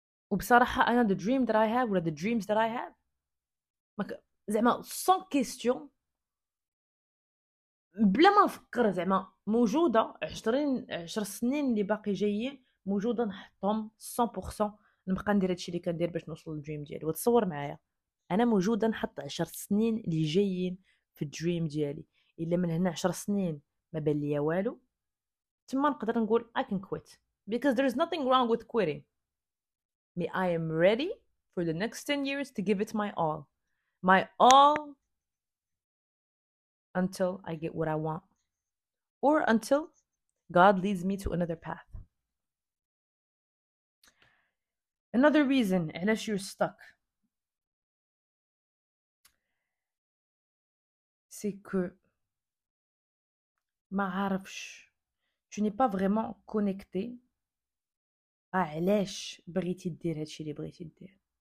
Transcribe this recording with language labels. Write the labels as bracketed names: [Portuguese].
[Arabic] وبصراحة انا [English] the dream that I have [Arabic] ولا [English] the dreams that I have [Arabic] زعما [French] sans question [Arabic] بلا ما نفكر زعما موجودة 10 سنين اللي باقي جايين موجودة نحطهم 100%، نبقى ندير هادشي اللي كندير باش نوصل للدريم ديالي. وتصور معايا انا موجوده نحط 10 سنين اللي جايين في الدريم ديالي، الا من هنا 10 سنين ما بان ليا والو، تما نقدر نقول [English] I can quit because there is nothing wrong with quitting. Me I am ready for the next 10 years to give it my all until I get what I want or until God leads me to another path. Another reason [Arabic] علاش [English] you're stuck [French] سي كو [Arabic] ما عارفش [French] tu n'es pas vraiment connecté à [Arabic] علاش بغيتي دير هادشي اللي بغيتي دير.